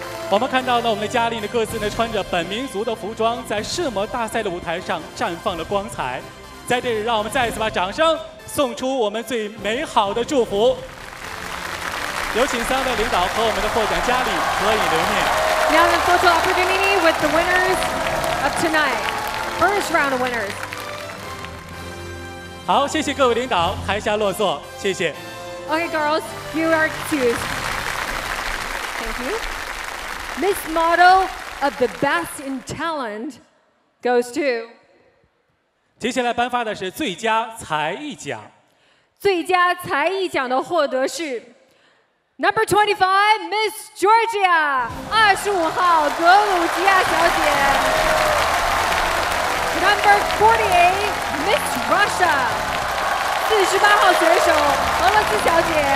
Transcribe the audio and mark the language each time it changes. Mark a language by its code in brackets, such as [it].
[zh] 我们看到呢，我们的嘉宾的各自呢穿着本民族的服装，在世模大赛的舞台上绽放了光彩。在这里，让我们再一次把掌声送出我们最美好的祝福。有请三位领导和我们的获奖嘉宾合影留念。 [en] Now the photo opportunity with the winners of tonight, first round of winners. [zh] 好，谢谢各位领导，台下落座，谢谢。 [en] Okay, girls, you are excused. Thank you. Miss Model of the Best in Talent goes to. [zh] 接下来颁发的是最佳才艺奖。最佳才艺奖的获得是 [en] Number 25 Miss Georgia [zh] 25号格鲁吉亚小姐。 [en] Number 48 Miss Russia [zh] 48号选手俄罗斯小姐。